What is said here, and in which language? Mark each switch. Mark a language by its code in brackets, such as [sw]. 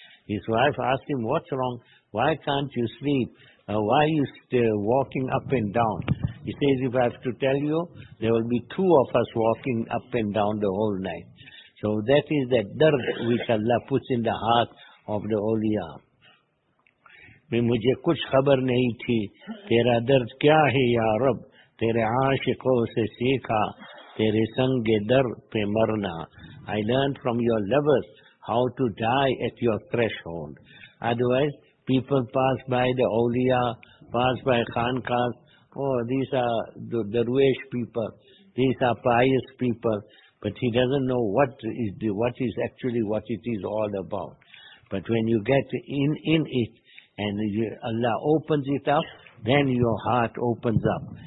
[en] His wife asked him, what's wrong? Why can't you sleep? Why are you still walking up and down? He says, if I have to tell you, there will be two of us walking up and down the whole night. So that is that dard which Allah puts in the heart of the awliya. [ur] میں مجھے کچھ خبر نہیں تھی تیرا درد کیا ہے یا رب تیرے عاشقوں سے سیکھا تیرے سنگ درد پہ مرنا [en] I learned from your lovers how to die at your threshold. Otherwise, people pass by the awliya, pass by khankas, oh, these are the darwish people, these are pious people, but he doesn't know what it is all about. But when you get in it, and Allah opens it up, then your heart opens up.